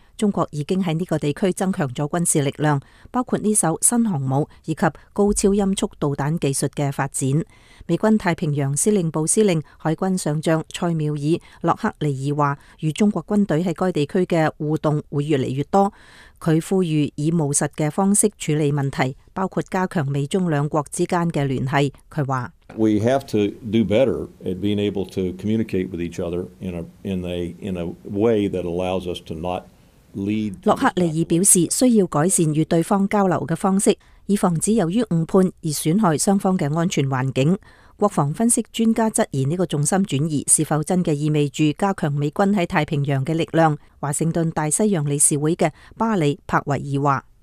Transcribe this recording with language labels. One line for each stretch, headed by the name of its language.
Chinese: 中国已经在这个地区增强了军事力量，包括这艘新航母以及高超音速导弹技术的发展。美军太平洋司令部司令海军上将蔡妙尔·洛克利尔说，与中国军队在该地区的互动会越来越多。他呼吁以务实的方式处理问题，包括加强美中两国之间的联系。他说，
English: We have to do better at being able to communicate with each other in a way that allows us to not lead.
Chinese: 洛克利尔表示，需要改善与对方交流的方式，以防止由于误判而损害双方的安全环境。国防分析专家质疑这个重心转移是否真的意味着加强美军在太平洋的力量。华盛顿大西洋理事会的巴里·帕维尔说，